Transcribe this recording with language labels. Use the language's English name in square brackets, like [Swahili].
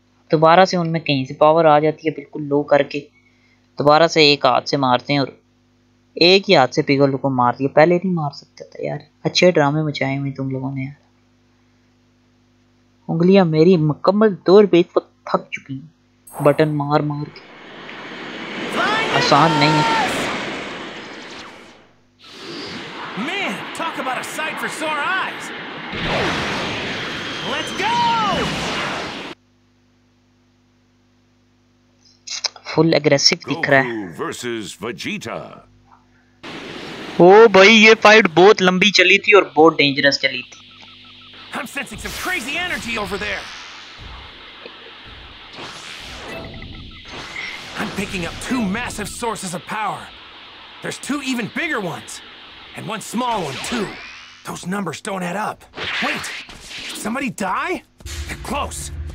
[Hindi] दोबारा से उनमें कहीं से पावर आ जाती है बिल्कुल लो करके, दोबारा से एक हाथ से मारते हैं और एक ही हाथ से पिकलू को मार दिया। पहले नहीं मार सकता था यार, अच्छे ड्रामे मचाए हुए तुम लोगों ने यार। उंगलियां मेरी मुकम्मल तौर पे इस वक्त थक चुकी हैं, बटन मार मार के। आसान नहीं है। [English] Man, talk about a sight for sore eyes. Let's go! [Hindi] Full aggressive दिख रहा है। Versus Vegeta. ओ भाई, ये फाइट बहुत लंबी चली थी और बहुत डेंजरस चली थी। [English] I'm sensing some crazy energy over there. I'm picking up two massive sources of power. There's two even bigger ones, and one small one too. Those numbers don't add up. Wait, somebody die? They're close.